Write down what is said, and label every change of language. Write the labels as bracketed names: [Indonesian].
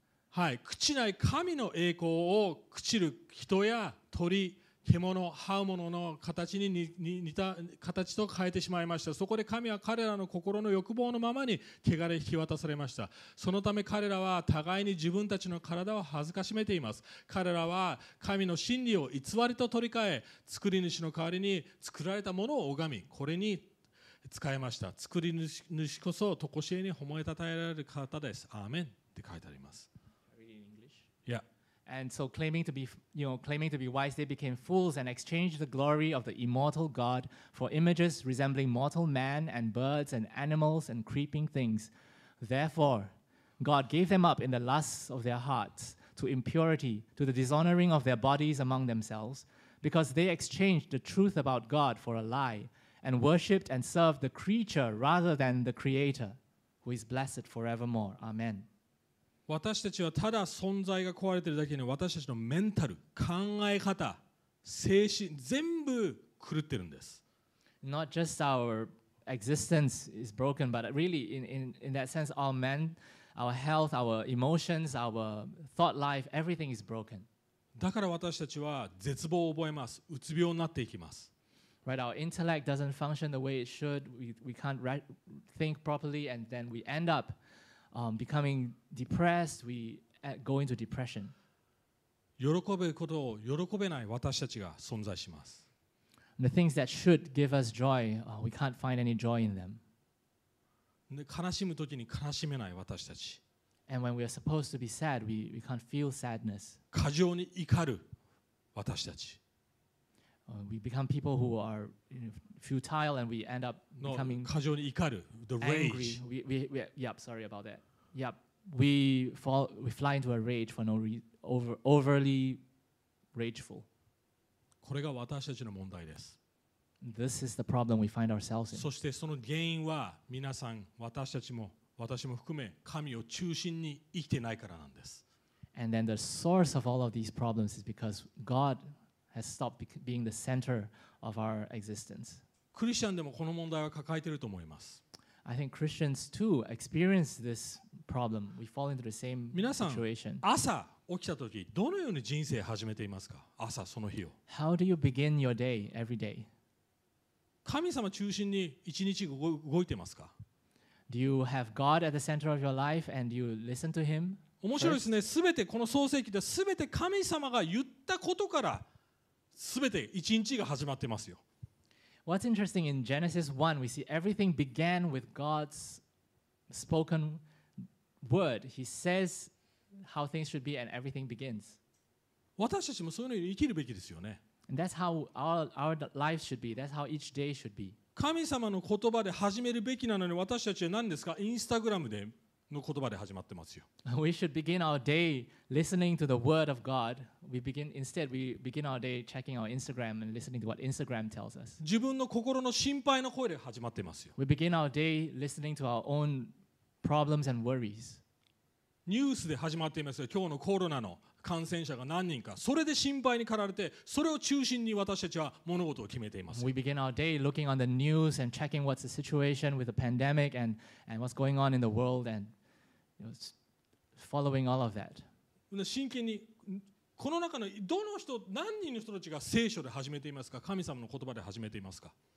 [Japanese] はい、朽ちない神の栄光を朽ちる人や鳥、獣、這うものの形に似た形と変えてしまいました。そこで神は彼らの心の欲望のままに汚れ引き渡されました。そのため彼らは互いに自分たちの体を恥ずかしめています。彼らは神の真理を偽りと取り替え、作り主の代わりに作られたものを拝み、これに使えました。作り主こそ常しえに褒めたたえられる方です。アーメンって書いてあります。 [English] Yeah. And so claiming to be, you know, claiming to be wise, they became fools and exchanged the glory of the immortal God for images resembling mortal man and birds and animals and creeping things. Therefore, God gave them up in the lusts of their hearts to impurity, to the dishonoring of their bodies among themselves, because they exchanged the truth about God for a lie and worshipped and served the creature rather than the Creator, who is blessed forevermore. Amen. [Japanese] 私たちはただ存在が壊れているだけに私たちのメンタル、考え方、精神、全部狂ってるんです。 [English] Not just our existence is broken, but really in that sense, our men, our health, our emotions, our thought life, everything is broken. [Japanese] だから私たちは絶望を覚えます。うつ病になっていきます。 [English] Right, our intellect doesn't function the way it should. We can't think properly and then we end up becoming depressed, we go into depression. [Japanese] 喜べることを喜べない私たちが存在します。 [English] The things that should give us joy, we can't find any joy in them. [Japanese] 悲しむときに悲しめない私たち。 [English] And when we are supposed to be sad, we can't feel sadness. [Japanese] 過剰に怒る私たち。 [English] We become people who are, you know, futile and we end up becoming no, [Japanese] 過剰に怒る [English] the rage. Angry. Sorry about that. Yep. We fly into a rage for no overly rageful. [Japanese] これが私たちの問題です。 [English] This is the problem we find ourselves in. [Japanese] そしてその原因は皆さん、私たちも、私も含め神を中心に生きてないからなんです。 [English] And then the source of all of these problems is because Godhas stopped being the center of our existence. [Japanese] Christian でもこの問題は抱えていると思います。 [English] I think Christians too experience this problem. We fall into the same situation. [Japanese] 皆さん、朝起きた時、どのように人生始めていますか？朝その日を。 [English] How do you begin your day every day? [Japanese] 神様中心に一日動いていますか？ [English] Do you have God at the center of your life and you listen to Him? [Japanese] 面白いですね。すべてこの創世記ですべて神様が言ったことから。全て一日が始まってますよ。 [English] What's interesting in Genesis 1, we see everything began with God's spoken word. He says how things should be and everything begins. [Japanese] 私たちもそういうのに生きるべきですよね。 [English] And that's how our lives should be. That's how each day should be. [Japanese] 神様の言葉で始めるべきなのに私たちは何ですか？ Instagram での言葉で始まってますよ。 [English] We should begin our day listening to the word of God. We begin our day checking our Instagram and listening to what Instagram tells us. [Japanese] 自分の心の心配の声で始まってますよ。 [English] We begin our day listening to our own problems and worries. [Japanese] ニュースで始まっていますよ。今日のコロナの感染者が何人か。それで心配に駆られて、それを中心に私たちは物事を決めています。 [English] We begin our day looking on the news and checking what's the situation with the pandemic and what's going on in the world and following all of that. [Japanese] 真剣にこの中のどの人、何人の人たちが聖書で始めていますか？神様の言葉で始めていますか？